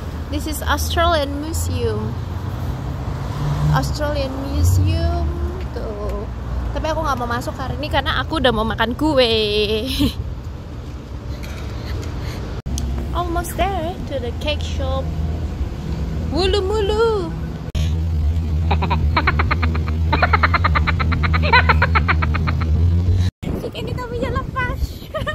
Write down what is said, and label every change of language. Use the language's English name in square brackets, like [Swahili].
[English] This is Australian Museum. [Indonesian] Australian Museum tuh. Tapi aku nggak mau masuk hari ini karena aku udah mau makan kue. [English] Almost there to the cake shop. Mulu mulu. [Indonesian] Ini topinya lepas.